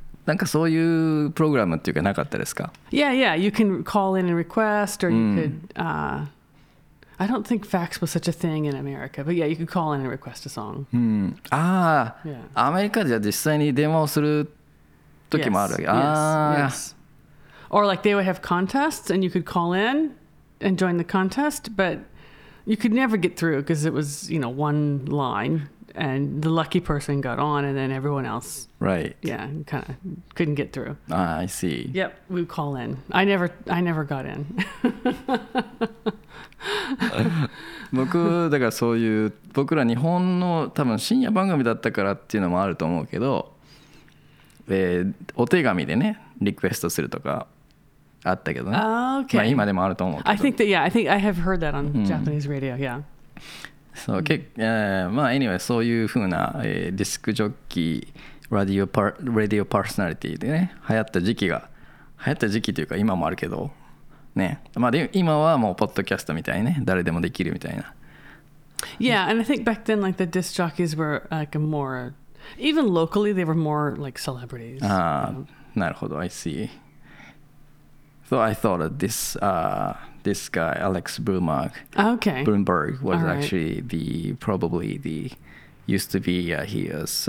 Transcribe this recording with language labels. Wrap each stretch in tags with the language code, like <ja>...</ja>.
<ja>なんかそういうプログラムっていうかなかったですか?</ja> <en>Yeah, yeah, you can call in and request or you could... I don't think fax was such a thing in America, but yeah, you could call in and request a song.</en> <ja>アメリカでは実際に電話をする時もあるわけ。</ja> <en>Yes. Or like they would have contests and you could call in and join the contest, but you could never get through because it was, you know, one line and the lucky person got on and then everyone else, right? Yeah, kind of couldn't get through. Ah, I see. Yep, we would call in. I never got in.</en> <ja>僕だからそういう僕ら日本の多分深夜番組だったからっていうのもあると思うけど、お手紙でねリクエストするとかあったけどね、</ja> <en>okay.</en> <ja>まあ今でもあると思うけど</ja> <en>I think that yeah I think I have heard that on Japanese radio yeah</en> <ja>そう、まあ anyway そういう風な、ディスクジョッキーラディオパーソナリティでね流行った時期というか今もあるけどね、まあで今はもうポッドキャストみたいね、誰でもできるみたいな。</ja> <en>Yeah, and I think back then, like the disc jockeys were like more, even locally, they were more like celebrities.</en> <ja>ああ、なるほど、</ja> <en>I see. So I thought that this guy Alex Bloomberg, okay, Bloomberg was All right. actually the probably the used to be he was</en>